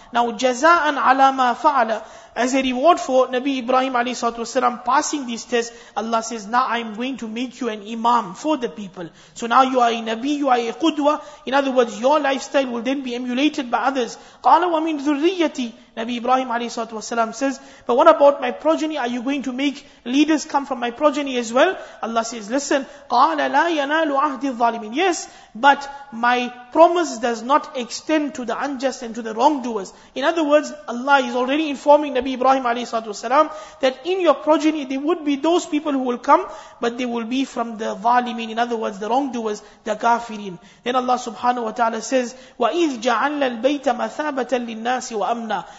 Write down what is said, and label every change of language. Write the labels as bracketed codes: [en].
[en] Now, [ar] جَزَاءً عَلَى مَا فَعَلَ, [en] as a reward for Nabi Ibrahim alayhi salatu wasalam passing these tests, Allah says, now I'm going to make you an imam for the people. So now you are a Nabi, you are a Qudwa. In other words, your lifestyle will then be emulated by others. [ar] قَالَ وَمِنْ ذُرِّيَّتِي, [en] Nabi Ibrahim alayhi salatu wasalam says, but what about my progeny? Are you going to make leaders come from my progeny as well? Allah says, listen, [ar] قَالَ لَا يَنَالُ عَهْدِ الظَّالِمِينَ. [en] Yes, but my promise does not extend to the unjust and to the wrongdoers. In other words, Allah is already informing Nabi Ibrahim alayhi salatu wasalam that in your progeny there would be those people who will come, but they will be from the ظَالِمِينَ. In other words, the wrongdoers, the kafirin. Then Allah subhanahu wa ta'ala says, [ar] وَإِذْ جَعَلَ الْبَيْتَ مَثَابَةً لِلنَّاسِ وَأَمْنًا.